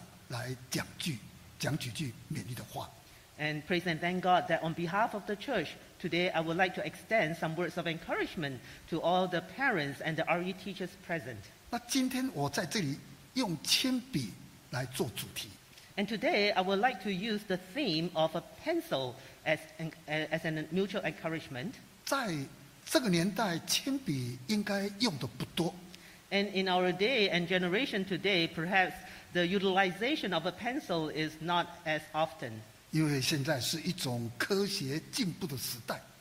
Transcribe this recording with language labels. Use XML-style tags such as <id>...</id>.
<zh>今天感谢神，我就代表教会来跟老师、跟家长来讲几句勉励的话。</zh> <en>And praise and thank God that on behalf of the church, today I would like to extend some words of encouragement to all the parents and the RE teachers present.</en> <zh>那今天我在这里用铅笔来做主题。</zh> <en>And today I would like to use the theme of a pencil as a mutual encouragement.</en> <zh>在这个年代，铅笔应该用的不多。</zh> <en>And in our day and generation today, perhaps the utilization of a pencil is not as often.</en> <zh>因为现在是一种科学进步的时代。</zh>